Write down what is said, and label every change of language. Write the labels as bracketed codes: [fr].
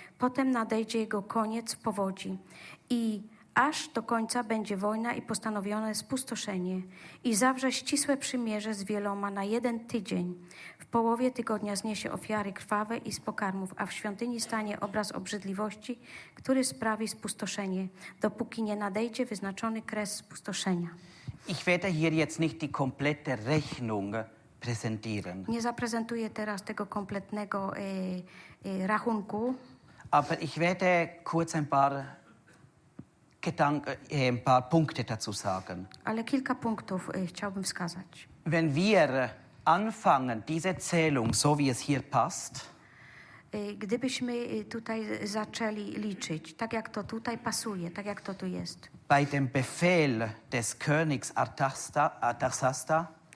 [pl] Potem nadejdzie jego koniec w powodzi i aż do końca będzie wojna i postanowione spustoszenie i zawrze ścisłe przymierze z wieloma na jeden tydzień. W połowie tygodnia zniesie ofiary krwawe i z pokarmów, a w świątyni stanie obraz obrzydliwości, który sprawi spustoszenie, dopóki nie nadejdzie wyznaczony kres spustoszenia. [de] Ich werde hier jetzt nicht die komplette Rechnung präsentieren. [pl] Nie zaprezentuję teraz tego kompletnego rachunku. [de] Aber ich werde kurz ein paar ein paar Punkte dazu sagen. [pl] Ale kilka punktów chciałbym wskazać. [de] Wenn wir anfangen diese Zählung so wie es hier passt, [pl] gdybyśmy tutaj zaczęli liczyć, tak jak to tutaj pasuje, tak jak to tu jest. [de] Bei dem Befehl des Königs Artaxasta,